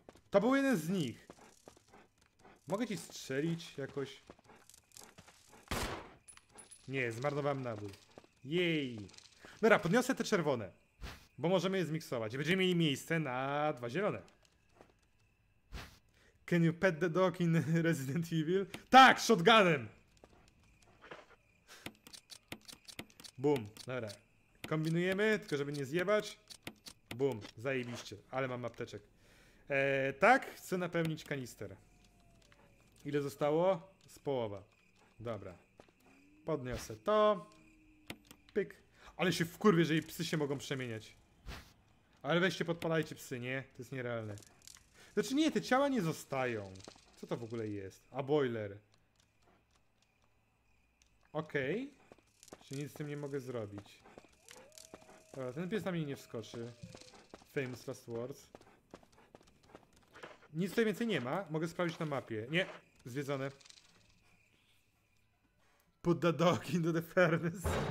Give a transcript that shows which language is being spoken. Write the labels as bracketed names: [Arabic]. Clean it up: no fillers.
[Polish] To był jeden z nich. Mogę ci strzelić jakoś? Nie, zmarnowałem nabój. Jej. Dobra, podniosę te czerwone. Bo możemy je zmiksować. Będziemy mieli miejsce na dwa zielone. [English] Can you pet the dog in Resident Evil? [Polish] Tak, shotgunem! Boom, dobra. Kombinujemy, tylko żeby nie zjebać. Boom, zajebiście, ale mam apteczek. Tak, chcę napełnić kanister. Ile zostało? Z połowa. Dobra. Podniosę to. Pyk. Ale się wkurwię, jeżeli psy się mogą przemieniać. Ale weźcie, podpalajcie psy, nie? To jest nierealne. Znaczy nie, te ciała nie zostają. Co to w ogóle jest? A boiler. Okej. Okay. Czyli nic z tym nie mogę zrobić. Dobra, ten pies na mnie nie wskoczy. [English] Famous last words. [Polish] Nic tutaj więcej nie ma. Mogę sprawdzić na mapie. Nie, zwiedzone. [English] Put the dog into the furnace.